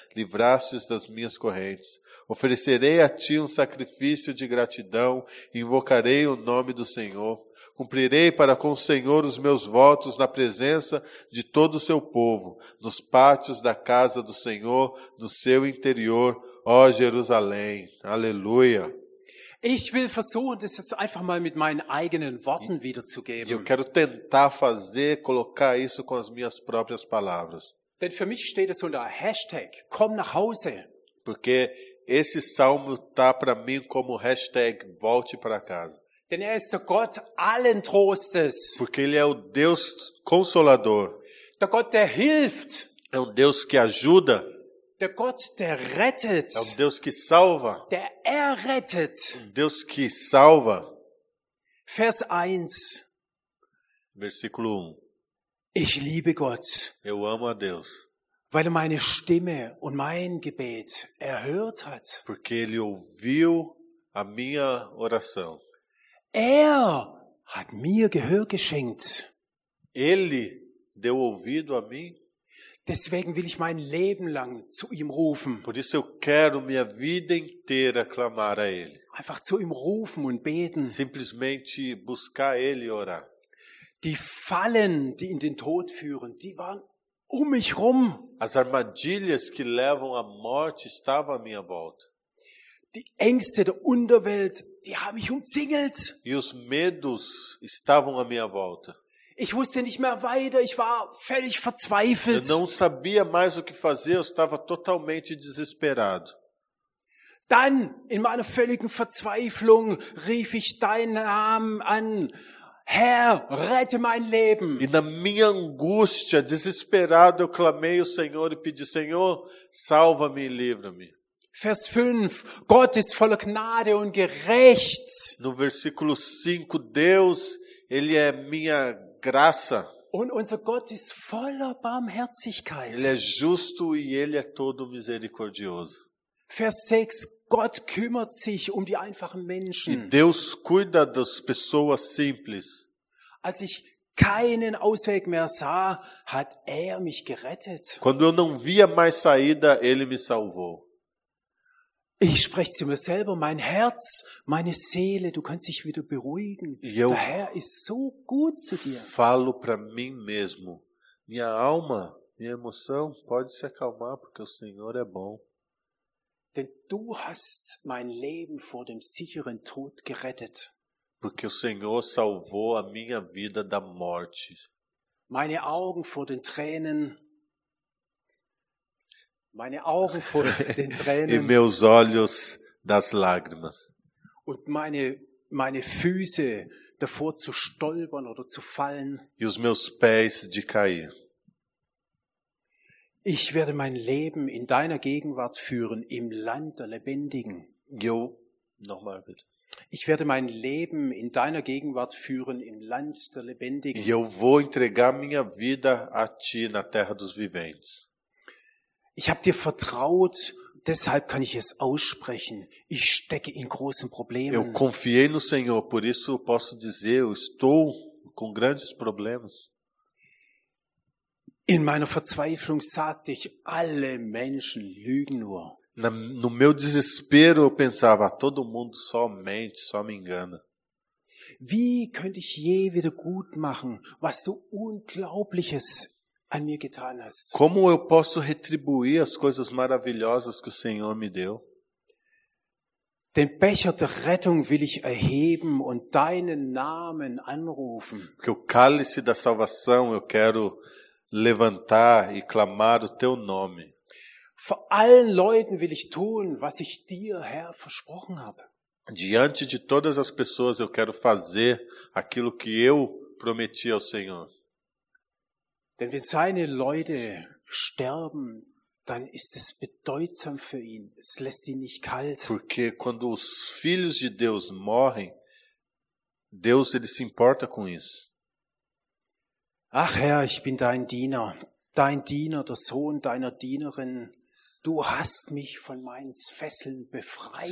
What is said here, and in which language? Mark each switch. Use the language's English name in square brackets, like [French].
[Portuguese] Livrastes das minhas correntes. Oferecerei a ti um sacrifício de gratidão, invocarei o nome do Senhor. Cumprirei para com o Senhor os meus votos na presença de todo o seu povo, nos pátios da casa do Senhor, no seu interior, ó Jerusalém. Aleluia. [German] Ich will versuchen, das jetzt einfach mal mit meinen eigenen Worten wiederzugeben. [Portuguese] Eu quero tentar fazer, colocar isso com as minhas próprias palavras. [German] Denn für mich steht es unter Hashtag, komm nach Hause. [Portuguese] Porque esse salmo está para mim como hashtag, volte para casa. [German] Denn er ist der Gott allen Trostes. [Portuguese] Porque ele é o Deus consolador. [German] Der Gott, der hilft. [Portuguese] É um Deus que ajuda. [German] Der Gott, der rettet. [Portuguese] É um Deus que salva. [German] Der errettet. [Portuguese] Um Deus que salva. [German] Vers 1. [Portuguese] Versículo 1. [German] Ich liebe Gott. [Portuguese] Eu amo a Deus. [German] Weil meine Stimme und mein Gebet erhört hat. [Portuguese] Porque ele ouviu a minha oração. [German] Hat mir Gehör geschenkt. [Portuguese] Ele deu ouvido a mim. [German] Deswegen will ich mein Leben lang zu ihm rufen. [Portuguese] Por isso eu quero minha vida inteira clamar a ele. [German] Einfach zu ihm rufen und beten. [Portuguese] Simplesmente buscar ele e orar. [German] Die Fallen, die in den Tod führen, die waren um mich rum. [Portuguese] As armadilhas que levam à morte estavam à minha volta. [German] Die Ängste der Unterwelt, die haben mich umzingelt. [Portuguese] E os medos estavam à minha volta. [German] Ich wusste nicht mehr weiter, ich war völlig verzweifelt. [Portuguese] Eu não sabia mais o que fazer, eu estava totalmente desesperado. [German] Dann, in meiner völligen Verzweiflung, rief ich deinen Namen an. Herr, rette mein Leben. [Portuguese] E na minha angústia, desesperado, eu clamei ao Senhor e pedi, Senhor, salva-me e livra-me. [German] Vers 5, Gott ist voller Gnade und gerecht. [Portuguese] No versículo 5, Deus, ele é minha graça. [German] Und unser Gott ist voller Barmherzigkeit. [Portuguese] Ele é justo e ele é todo misericordioso. [German] Vers 6, Gott kümmert sich um die einfachen Menschen. [Portuguese] E Deus cuida das pessoas simples. [German] Als ich keinen Ausweg mehr sah, hat mich gerettet. [Portuguese] Quando eu não via mais saída, ele me salvou. [German] Ich spreche zu mir selber, mein Herz, meine Seele, du kannst dich wieder beruhigen. Der Herr ist so gut zu dir. [Portuguese] Falo para mim mesmo. Minha alma, minha emoção, pode se acalmar, porque o Senhor é bom. [German] Denn du hast mein Leben vor dem sicheren Tod gerettet. [Portuguese] Porque o Senhor salvou a minha vida da morte. [German] Meine Augen vor den Tränen. Meine Augen vor den Tränen. [Portuguese] E meus olhos das lágrimas. [German] Und meine Füße davor zu stolpern oder zu fallen. [Portuguese] E os meus pés de cair. [German] Ich werde mein Leben in deiner Gegenwart führen im Land der Lebendigen. Jo, nochmal bitte. Ich werde mein Leben in deiner Gegenwart führen im Land der Lebendigen. [Portuguese] E eu vou entregar minha vida a ti na terra dos viventes. [German] Ich habe dir vertraut, deshalb kann ich es aussprechen. Ich stecke in großen Problemen. [Portuguese] Eu confiei no Senhor, por isso eu posso dizer, eu estou com grandes problemas. [German] In meiner Verzweiflung sagte ich, alle Menschen lügen nur. [Portuguese] No meu desespero eu pensava, todo mundo só mente, só me engana. [German] Wie könnte ich je wieder gut machen, was so Unglaubliches an mir getan hast? [Portuguese] Como eu posso retribuir as coisas maravilhosas que o Senhor me deu? [German] Den Becher der Rettung will ich erheben und deinen Namen anrufen. [Portuguese] Porque o cálice da salvação eu quero levantar e clamar o teu nome. [German] Vor allen Leuten will ich tun, was ich dir, Herr, versprochen habe. [Portuguese] Diante de todas as pessoas eu quero fazer aquilo que eu prometi ao Senhor. [German] Denn wenn seine Leute sterben, dann ist es bedeutsam für ihn. Es lässt ihn nicht kalt. [Portuguese] Porque quando os filhos de Deus morrem, Deus ele se importa com isso. [German] Ach Herr, ich bin dein Diener, der Sohn deiner Dienerin. Du hast mich von meinen Fesseln befreit.